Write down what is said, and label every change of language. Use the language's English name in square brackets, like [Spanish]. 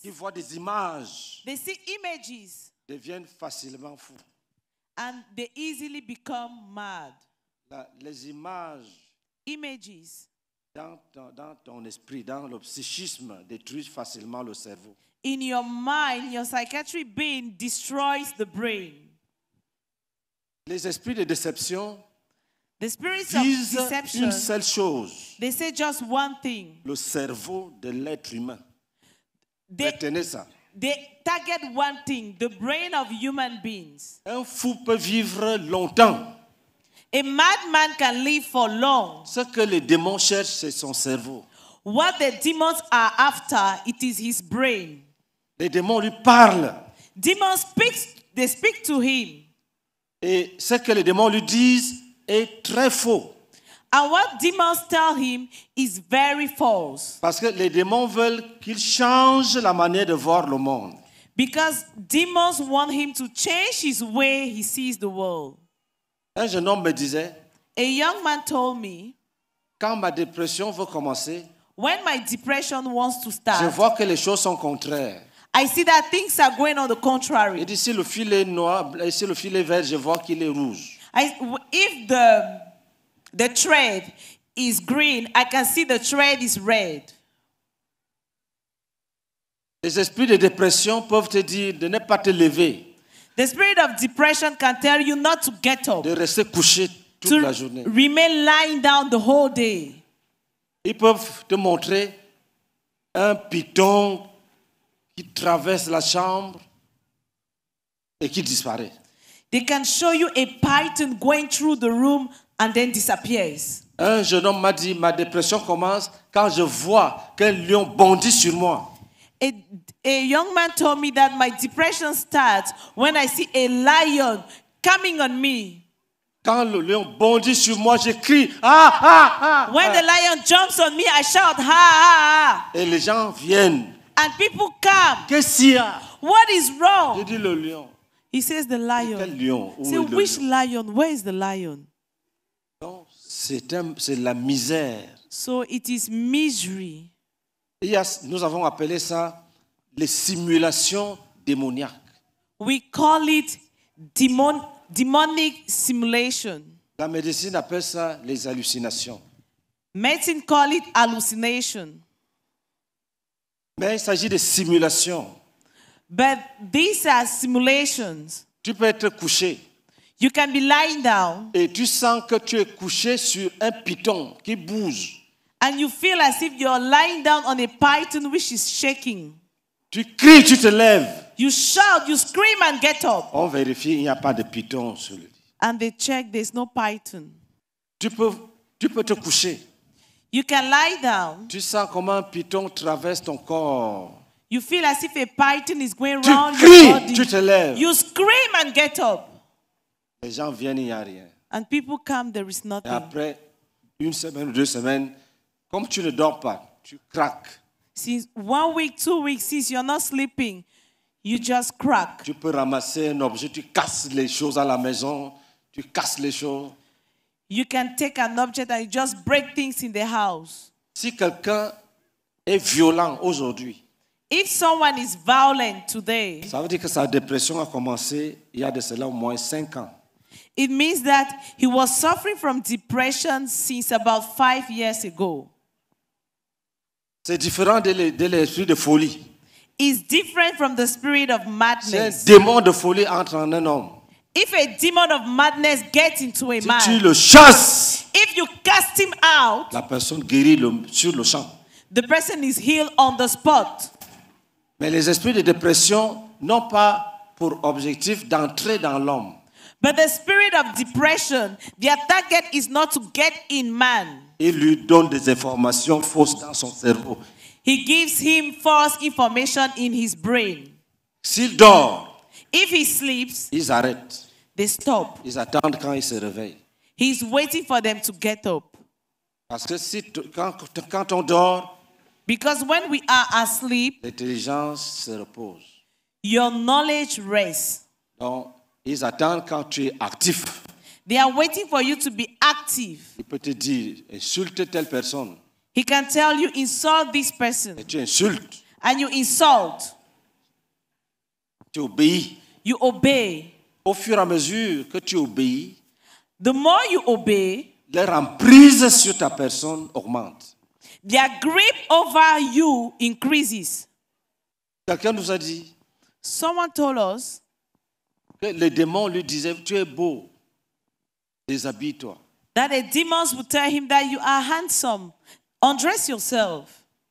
[French] Ils voient des images. [English] They see images. [French] Deviennent facilement fous. [English] And they easily become mad. [French] Les images, images dans ton esprit, dans le psychisme, détruisent facilement le cerveau. [English] In your mind, your psychiatric being destroys the brain. [French] Les esprits de déception [English] the spirits [French] visent [English] of deception, [French] une seule chose. [English] They say just one thing. [French] Le cerveau de l'être humain. Retenez ça. [English] They target one thing, the brain of human beings. [French] Un fou peut vivre longtemps. [English] A madman can live for long. [French] Ce que les démons cherchent, c'est son cerveau. [English] What the demons are after, it is his brain. [French] Les démons lui parlent. [English] Demons speak, they speak to him. [French] Et ce que les démons lui disent est très faux. [English] And what demons tell him is very false. [French] Parce que les démons veulent qu'il change la manière de voir le monde. [English] Because demons want him to change his way he sees the world. [French] Un jeune homme me disait, [English] a young man told me, [French] quand ma dépression veut commencer, [English] when my depression wants to start, [French] je vois que les choses sont contraires. [English] I see that things are going on the contrary. [French] Et si le fil est noir, et si le fil est vert, je vois qu'il est rouge. [English] If the thread is green, I can see the thread is red. [French] Les esprits de dépression peuvent te dire de ne pas te lever. [English] The spirit of depression can tell you not to get up. [French] De rester couché toute la journée. [English] Remain lying down the whole day. [French] Ils peuvent te montrer un piton qui traverse la chambre et qui disparaît. [English] They can show you a python going through the room and then disappears. [French] Un jeune homme m'a dit, ma dépression commence quand je vois qu'un lion bondit sur moi. [English] A young man told me that my depression starts when I see a lion coming on me. [French] Quand le lion bondit sur moi, je crie, ah, ah, ah. [English] When the lion jumps on me, I shout, ha, ah, ah, ha, ah. [French] Et les gens viennent. [English] And people come. [French] Qu'est-ce qu'il y a? [English] What is wrong? [French] Je dis le lion. [English] He says the lion. [French] Quel lion? [English] Say, which lion? Where is the lion? [French] Non, c'est la misère. [English] So it is misery. [French] Et nous avons appelé ça les simulations démoniaques. [English] We call it demonic simulation. [French] La médecine appelle ça les hallucinations. [English] Medicine call it hallucination. [French] Mais il s'agit de simulations. [English] But these are simulations. [French] Tu peux être couché. [English] You can be lying down. [French] Et tu sens que tu es couché sur un python qui bouge. [English] And you feel as if you're lying down on a python which is shaking. [French] Tu cries, tu te lèves. [English] You shout, you scream and get up. [French] On vérifie, il n'y a pas de python sur le lit. [English] And they check, there's no python. [French] Tu peux te coucher. [English] You can lie down. [French] Tu sens comment un python traverse ton corps. [English] You feel as if a python is going [French] tu [English] round [French] cries, [English] your body. [French] Tu te lèves. [English] You scream and get up. [French] Les gens viennent, il n'y a rien. [English] And people come, there is nothing. [French] Et après une semaine ou deux semaines, comme tu ne dors pas, tu craques. [English] Since 1 week, 2 weeks, since you're not sleeping, you just crack. [French] Tu peux ramasser un objet, tu casses les choses à la maison, tu casses les choses. [English] You can take an object and you just break things in the house. [French] Si quelqu'un est violent aujourd'hui, [English] if someone is violent today, [French] ça veut dire que sa dépression a commencé il y a de cela au moins 5 ans. [English] It means that he was suffering from depression since about 5 years ago. [French] C'est différent de l'esprit de folie. [English] It's different from the spirit of madness. [French] Si un démon de folie entre en un homme, [English] if a demon of madness gets into a [French] si [English] man, [French] tu le chasses, [English] if you cast him out, [French] la personne guérit sur le champ. [English] The person is healed on the spot. [French] Mais les esprits de dépression n'ont pas pour objectif d'entrer dans l'homme. [English] But the spirit of depression, their target is not to get in man. [French] Il lui donne des informations fausses dans son cerveau. [English] He gives him false information in his brain. [French] S'il dort, [English] if he sleeps, [French] ils arrêtent. [English] They stop. [French] Ils attendent quand il se réveille. [English] He's waiting for them to get up. [French] Parce que si quand on dort, [English] because when we are asleep, [French] l'intelligence se repose. [English] Your knowledge rests. [French] Donc, ils attendent quand tu es actif. [English] They are waiting for you to be active. [French] Il peut te dire, insulte telle personne. [English] He can tell you, insult this person. [French] Et tu insultes. [English] And you insult. [French] Tu obéis. [English] You obey. [French] Au fur et à mesure que tu obéis, [English] the more you obey, [French] leur emprise sur ta personne augmente. [English] Their grip over you increases. [French] Quelqu'un nous a dit, [English] someone told us, [French] les démons lui disaient, tu es beau, déshabille-toi. [English] That the demons would tell him that you are handsome, undress yourself.